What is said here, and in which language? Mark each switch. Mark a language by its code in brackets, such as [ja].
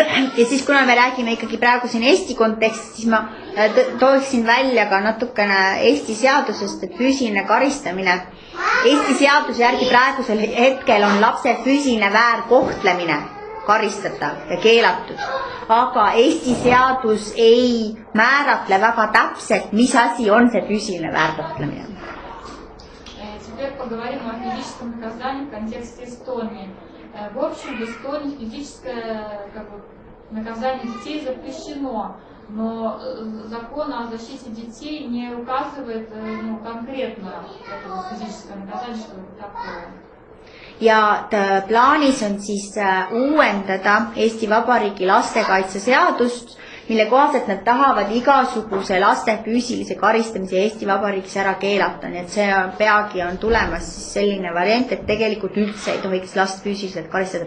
[et] Ja siis, kuna me räägime ikkagi praegu siin Eesti kontekstis, siis ma tooksin välja ka natukene Eesti seadusest, et füüsiline karistamine. Eesti seaduse järgi praegusel hetkel on lapse füüsiline väär kohtlemine karistatav ja keelatud. Aga Eesti seadus ei määratle väga täpselt, mis asi on see füüsiline väär kohtlemine. [ru] Поговорим о физическом наказании в контексте Эстонии. В общем, в Эстонии физическое наказание детей запрещено, но закон о защите детей не указывает конкретно этого физического наказания, что это такое. [et] Ja plaanis on siis uuendada Eesti Vabariigi lastekaitseseadust, mille kohaselt nad tahavad igasuguse laste füüsilise karistamise Eesti Vabariigis ära keelata. Nii et see peagi on tulemas siis selline variant, et tegelikult üldse ei tohiks last füüsiliselt karistada.